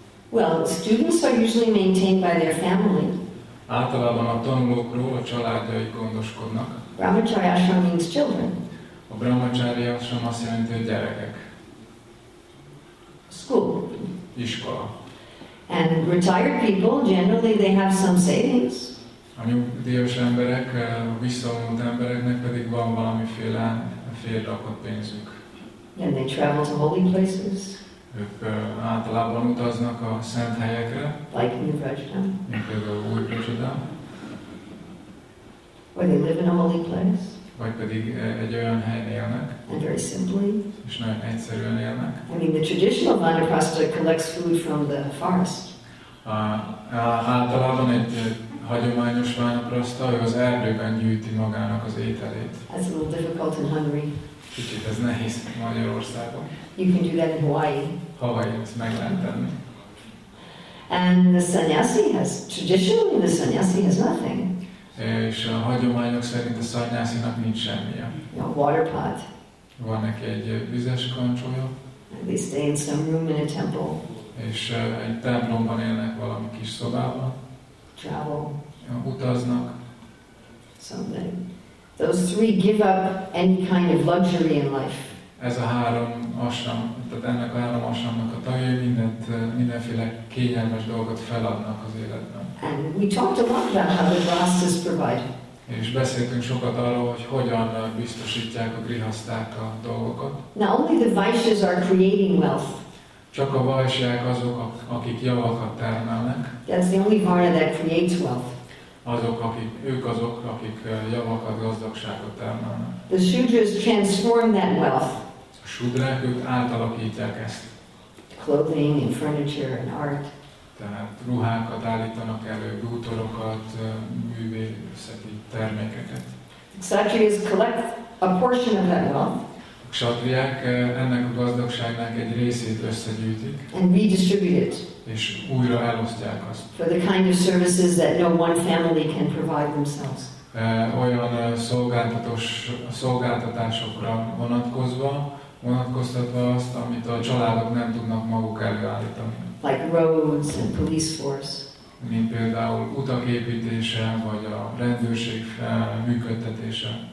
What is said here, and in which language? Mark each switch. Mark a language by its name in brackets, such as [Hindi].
[English] Well, students are usually maintained by their family. [Hungarian] Általában a tanulókról a családjaik gondoskodnak. [English] Brahmacharya ashram means children. [Hungarian] A Brahmacharya ashram azt jelenti, hogy gyerekek. [English] School. [Hungarian] Iskola. [English] And retired people, generally they have some savings. [Hungarian] A nyugdíjas emberek, a visszavonult embereknek pedig van valamiféle félrakott pénzük. [English] And they travel to holy places. [Hungarian] Ők általában utaznak a szent helyekre. [English] Like New Prajna. [Hungarian] Mint például Új Prajna. [English] Or they live in a holy place. [Hungarian] Vagy pedig egy olyan helyen élnek. [English] And very simply. [Hungarian] És nagyon egyszerűen élnek. [English] I mean, the traditional vanaprastha collects food from the forest. [Hungarian] Általában egy hagyományos vanaprastha, ő az erdőben gyűjti magának az ételét. [English] That's a little difficult in Hungary. [Hungarian] Kicsit ez nehéz Magyarországon. [English] You can do that in Hawaii. [Hungarian] Hawaii-t meg lehet tenni. [English] And the sannyasi has, traditionally the sannyasi has nothing. [Hungarian] És a hagyományok szerint a szanyászinak nincs semmije. [English] A water pot. [Hungarian] Van neki egy vizes kancsója. [English] And they stay in some room in a temple. [Hungarian] És egy templomban élnek valami kis szobában. [English] Travel. [Hungarian] Utaznak. [English] Something. Those three give up any kind of luxury in life. [Hungarian] Ez a három asram, tehát ennek a három asramnak a tagja mindent, mindenféle kényelmes dolgot feladnak az életben. [English] And we talked a lot about how the grihasthas provide. [Hungarian] És beszéltünk sokat arról, hogy hogyan biztosítják a grihaszták a dolgokat. [English] Now only the vaishyas are creating wealth. [Hungarian] Csak a vaishyák azok, akik javakat termelnek. [English] That's the only vana that creates wealth. [Hungarian] Azok, akik, ők azok, akik javakat, gazdagságot termelnek. [English] The shudras transform that wealth. [Hungarian] A shudrák, ők átalakítják ezt. [English] Clothing and furniture and art. [Hungarian] Tehát ruhákat állítanak elő, bútorokat, művészeti termékeket. [English] Kshatriyas collect a portion of that wealth. [Hungarian] A kshatriák ennek a gazdagságnak egy részét összegyűjtik. [English] And redistribute it. [Hungarian] És újra elosztják azt. [English] For the kind of services that no one family can provide themselves. [Hungarian] Olyan szolgáltatásokra vonatkoztatva azt, amit a családok nem tudnak maguk előállítani. [English] Like roads and police force. [Hungarian] Mint például utak építése, vagy a rendőrség működtetése.